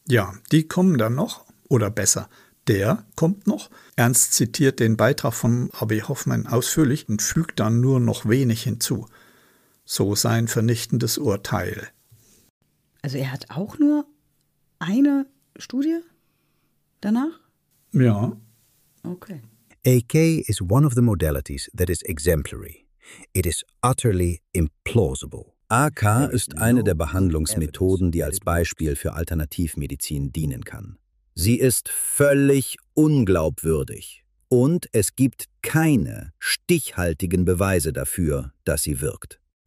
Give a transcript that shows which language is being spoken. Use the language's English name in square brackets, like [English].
[German] Ja, die kommen dann noch oder besser. Der kommt noch. Ernst zitiert den Beitrag von Rabbi Hoffman ausführlich und fügt dann nur noch wenig hinzu. So sein vernichtendes Urteil. Also er hat auch nur eine Studie danach? Ja. Okay. [English] AK is one of the modalities that is exemplary. It is utterly implausible. [German] AK ist eine der Behandlungsmethoden, die als Beispiel für Alternativmedizin dienen kann. Sie ist völlig unglaubwürdig und es gibt keine stichhaltigen Beweise dafür, dass sie wirkt.